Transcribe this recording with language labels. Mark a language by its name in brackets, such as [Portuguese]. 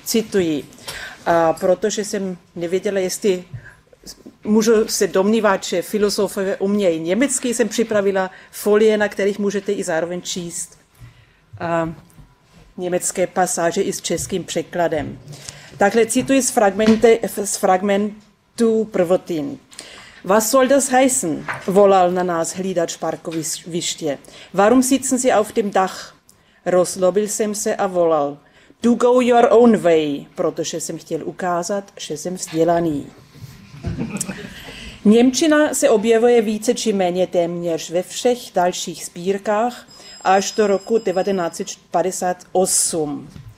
[Czech] Cituji, a protože jsem nevěděla, jestli můžu se domnívat, že filozofové umějí německy, jsem připravila folie, na kterých můžete i zároveň číst a německé pasáže i s českým překladem. Takhle cituji z fragmentu prvotin. [German] Was soll das heißen? [Czech] Volal na nás hlídač parkoviště. [German] Warum sitzen Sie auf dem Dach? [Czech] Rozlobil jsem se a volal. [English] Do go your own way, [Czech] protože jsem chtěl ukázat, že jsem vzdělaný. Němčina se objevuje více či méně téměř ve všech dalších sbírkách až do roku 1958.